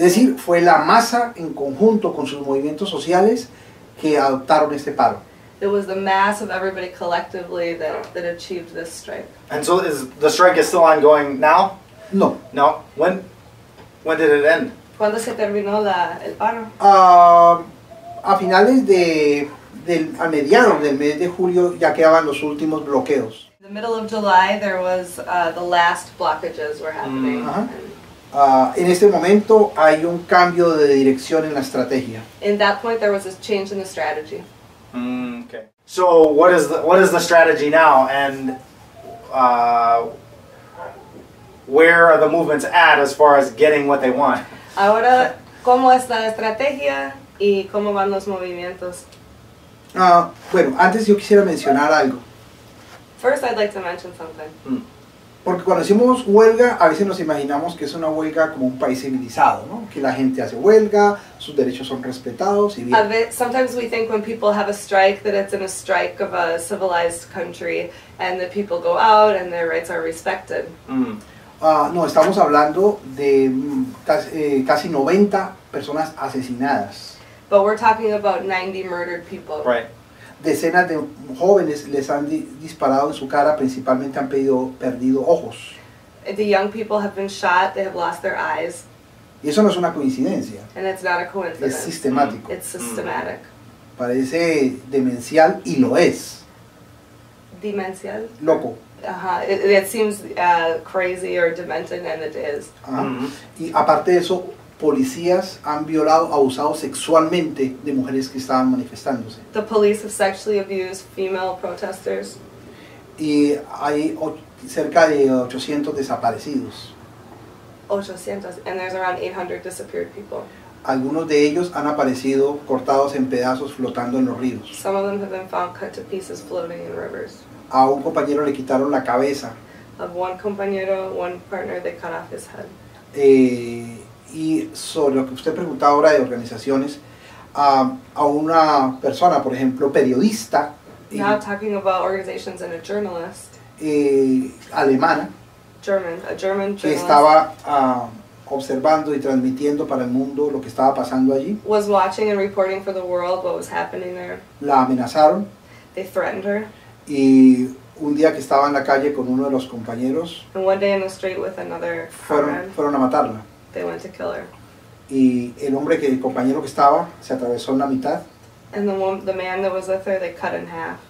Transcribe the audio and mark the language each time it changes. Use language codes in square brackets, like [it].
[es] Es decir, fue la masa en conjunto con sus movimientos sociales que adoptaron este paro. [en] It was the mass of everybody collectively that achieved this strike. And so the strike is still ongoing now? No. No? When did it end? [es] ¿Cuándo se terminó el paro? A finales a mediados del mes de julio ya quedaban los últimos bloqueos. [en] In the middle of July there was the last blockages were happening. [es] En este momento hay un cambio de dirección en la estrategia. [en] In that point there was a change in the strategy. Okay. So what is the strategy now, and where are the movements at as far as getting what they want? [es] Ahora, ¿cómo es la estrategia y cómo van los movimientos? Bueno, antes yo quisiera mencionar algo. [en] First, I'd like to mention something. [es] Porque cuando decimos huelga, a veces nos imaginamos que es una huelga como un país civilizado, ¿no? Que la gente hace huelga, sus derechos son respetados y bien. [en] Sometimes we think when people have a strike that it's in a strike of a civilized country and that people go out and their rights are respected. [es] No, estamos hablando de casi 90 personas asesinadas. [en] But we're talking about 90 murdered people. Right. [es] Decenas de jóvenes les han disparado en su cara, principalmente han perdido ojos. [en] The young people have been shot, they have lost their eyes. [es] Y eso no es una coincidencia. [en] And it's not a coincidence. [es] Es sistemático. [en] It's systematic. [es] Parece demencial y lo es. Demencial. Loco. [en] It seems crazy or demented, and it is. [es] Y aparte de eso, policías han violado, abusado sexualmente de mujeres que estaban manifestándose. [en] The police have sexually abused female protesters. [es] Y hay cerca de 800 desaparecidos. [en] 800, and there's around 800 disappeared people. [es] Algunos de ellos han aparecido cortados en pedazos flotando en los ríos. [en] Some of them have been found cut to pieces floating in rivers. [es] A un compañero le quitaron la cabeza. [en] Of one compañero, one partner, they cut off his head. [es] Y sobre lo que usted preguntaba ahora de organizaciones, a una persona, por ejemplo, periodista, [en] now talking about organizations and a journalist, [es] alemana, [en] German, a German journalist, [es] que estaba observando y transmitiendo para el mundo lo que estaba pasando allí, [en] was watching and reporting for the world what was happening there. [es] La amenazaron. [en] They threatened her. [es] Y un día que estaba en la calle con uno de los compañeros, [en] and one day in the street with another friend, [es] fueron a matarla. [en] They went to kill her. [es] Y el hombre que el compañero que estaba se atravesó en la mitad. [en] And the man that was with her, they cut in half.